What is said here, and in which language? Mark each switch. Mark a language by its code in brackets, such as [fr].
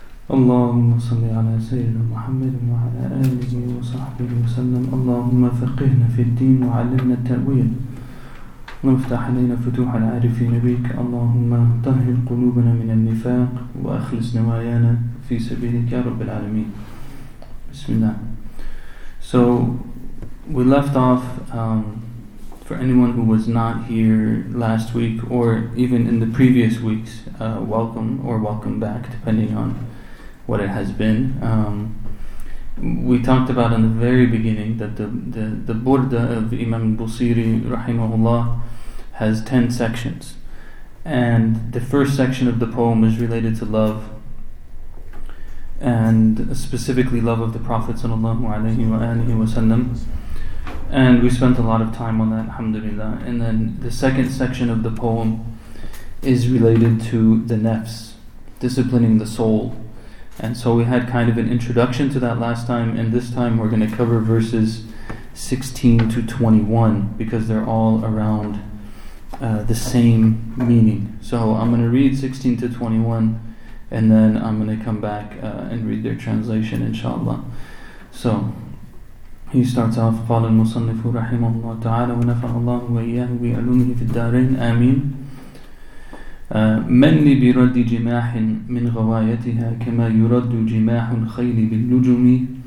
[ar] اللهم صل على سيدنا محمد وعلى آله وصحبه وسلم اللهم فقهنا في الدين وعلمنا التأويل نفتح علينا فتوح العارفين بك اللهم طهر قلوبنا من النفاق وأخلص نوايانا في سبيلك يا رب العالمين بسم الله. [en] So we left off for anyone who was not here last week or even in the previous weeks, welcome or welcome back depending on what it has been. We talked about in the very beginning that the Burdah of Imam al-Busiri rahimahullah has 10 sections, and the first section of the poem is related to love, and specifically love of the Prophet sallallahu alaihi wasallam, and we spent a lot of time on that, alhamdulillah. And then the second section of the poem is related to the nafs, disciplining the soul. And so we had kind of an introduction to that last time, and this time we're going to cover verses 16 to 21 because they're all around the same meaning. So I'm going to read 16 to 21 and then I'm going to come back and read their translation, inshallah. So he starts off, [ar] قال المصنف رحمه الله تعالى ونفع الله وإياه بعلومه في الدارين آمين. من برد جماح من غوايتها كما يرد جماح الخيل باللجم